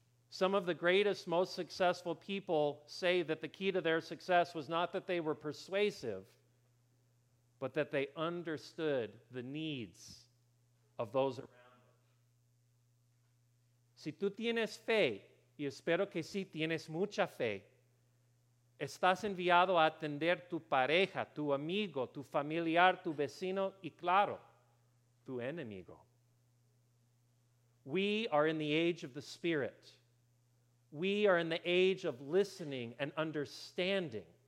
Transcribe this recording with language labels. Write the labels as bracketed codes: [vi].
[en] Some of the greatest, most successful people say that the key to their success was not that they were persuasive, but that they understood the needs of those around them. [es] Si tú tienes fe, y espero que sí, tienes mucha fe, estás enviado a atender tu pareja, tu amigo, tu familiar, tu vecino, y claro, tu enemigo. [en] We are in the age of the Spirit. We are in the age of listening and understanding.